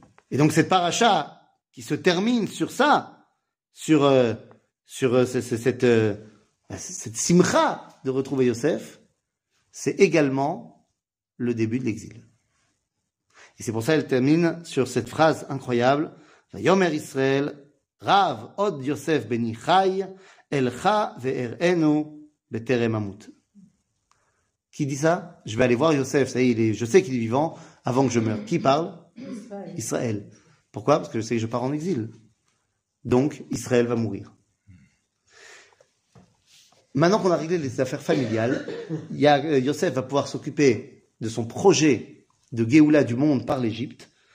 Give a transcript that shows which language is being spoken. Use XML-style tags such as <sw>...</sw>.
<fr>Et donc cette paracha qui se termine sur ça, sur cette simcha de retrouver Yosef, c'est également le début de l'exil. Et c'est pour ça qu'elle termine sur cette phrase incroyable, «</fr> <he>ויאמר ישראל, רב עוד יוסף בני חי, אלך ואראנו בטרם אמות.</he> <fr>Qui dit ça? Je vais aller voir Yosef, ça y est, je sais qu'il est vivant avant que je meure. Qui parle? Israël. Israël. Pourquoi? Parce que je sais que je pars en exil. Donc, Israël va mourir. Maintenant qu'on a réglé les affaires familiales, Yosef va pouvoir s'occuper de son projet de Géoula du monde par l'Égypte.</fr>